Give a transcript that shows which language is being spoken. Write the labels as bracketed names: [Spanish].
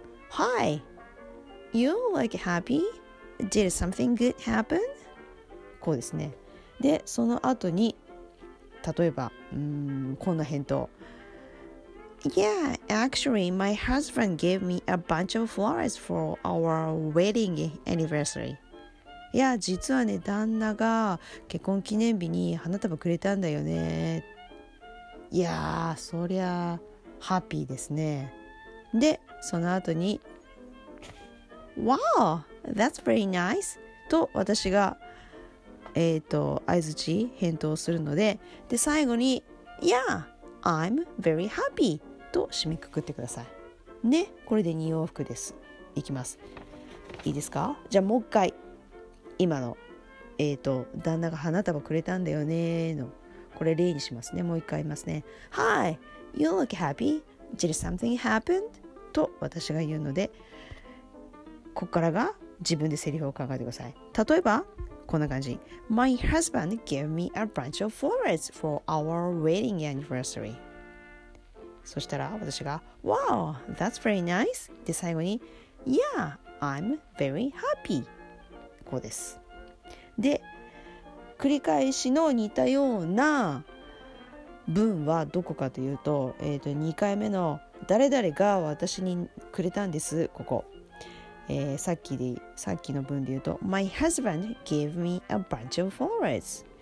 [English] Hi, you look happyDid something good happen? [Japanese] こうですね。で、その後に、例えば、こんな返答。 [English] Yeah, actually, my husband gave me a bunch of flowers for our wedding anniversary. [Japanese] いや、実はね、旦那が結婚記念日に花束くれたんだよね。いやー、そりゃ、ハッピーですね。で、その後に、 [English] Wow! That's very nice. [Japanese] と私が、相槌返答するので、で最後に [English] Yeah, I'm very happy. [Japanese] と締めくくってくださいね。これで2往復です。いきます。いいですか？じゃあもう一回、今の旦那が花束くれたんだよねの、これ例にしますね。もう一回言いますね。 [English] Hi, you look happy. Did something happen? [Japanese] と私が言うので、ここからが自分でセリフを考えてください。例えばこんな感じ。 [English] My husband gave me a bunch of flowers for our wedding anniversary. [Japanese] そしたら私が [English] Wow, that's very nice. [Japanese] で最後に [English] Yeah, I'm very happy. [Japanese] こうです。で、繰り返しの似たような文はどこかというと、2回目の誰々が私にくれたんです。ここ、さっきの文で言うと [English] My husband gave me a bunch of flowers。